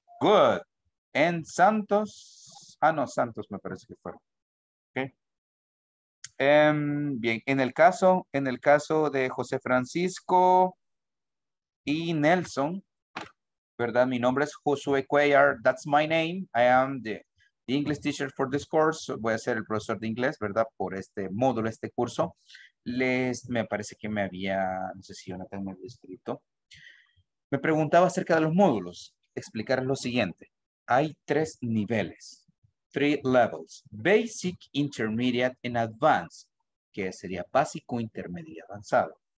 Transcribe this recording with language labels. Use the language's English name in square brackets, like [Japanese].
[Spanish] Good. And Santos. Ah, no, Santos me parece que fueron. Okay. Bien, en el caso de José Francisco y Nelson, ¿verdad? Mi nombre es Josué Cuellar. [English] That's my name. I am the English teacher for this course. [Spanish] Voy a ser el profesor de inglés, ¿verdad? Por este módulo, este curso. Me parece que me había, no sé si Jonathan me había escrito. Me preguntaba acerca de los módulos. Explicar lo siguiente. Hay tres niveles. [English] Three levels. Basic, intermediate, and advanced. [Spanish] Que sería básico, intermedio, avanzado.